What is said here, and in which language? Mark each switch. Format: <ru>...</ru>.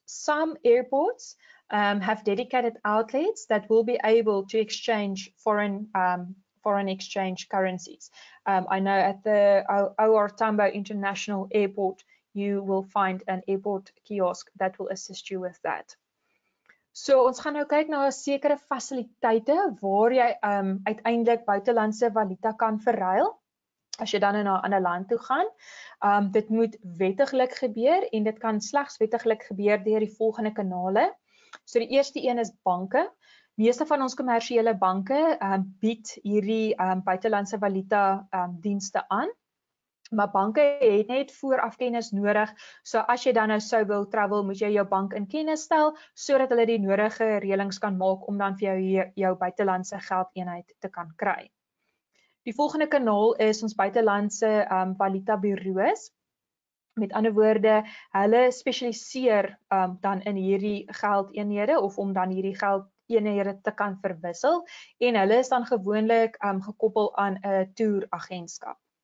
<en>Some airports have dedicated outlets that will be able to exchange foreign exchange currencies. I know at the OR Tambo International Airport, you will find an airport kiosk that will assist you with that.</en> <af>So ons gaan nou kyk na 'n sekere fasiliteite waar jy uiteindelik buitelandse valuta kan verruil as jy dan na 'n ander land toe gaan. Dit moet wettiglik gebeur en dit kan slegs wettiglik gebeur deur die volgende kanale. So die eerste een is banke. Meeste van ons kommersiële banke bied hierdie buitelandse valuta dienste aan. Maar banke het net vooraf kennis nodig. So as jy dan nou sou wil travel, moet jy jou bank in kennis stel sodat hulle die nodige reëlings kan maak om dan vir jou jou buitelandse geldeenheid te kan kry. Die volgende kanaal is ons buitelandse valuta bureaus. Met ander woorde, hulle spesialiseer dan in hierdie geldeenhede of om dan hierdie geldeenhede te kan verwissel en hulle is dan gewoonlik gekoppel aan 'n toeragentskap.</af>